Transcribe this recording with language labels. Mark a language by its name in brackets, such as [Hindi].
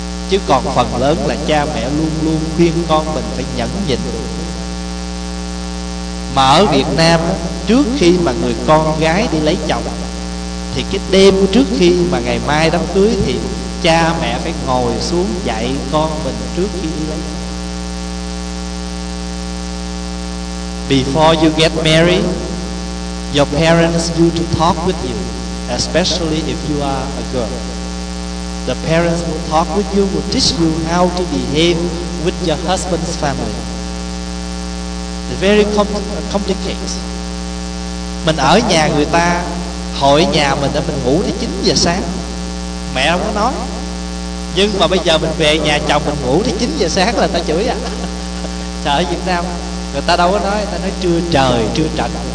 [Vietnamese] Chứ còn phần lớn là cha mẹ luôn luôn khuyên con mình phải nhẫn nhịn. Mà ở Việt Nam, trước khi mà người con gái đi lấy chồng, thì cái đêm trước khi mà ngày mai đám cưới thì cha mẹ phải ngồi xuống dạy con mình trước khi đi lấy. [English] Before you get married, your parents need to talk with you, especially if you are a girl. The parents will talk with you, will teach you how to behave with your husband's family. It's very complicated. [Vietnamese] Mình ở nhà người ta, hội nhà mình để mình ngủ tới 9 giờ sáng. Mẹ không có nói. Nhưng mà bây giờ mình về nhà chồng mình ngủ tới 9 giờ sáng là người ta chửi à. Trời, ở Việt Nam người ta đâu có nói, người ta nói trưa trời, trưa trạnh.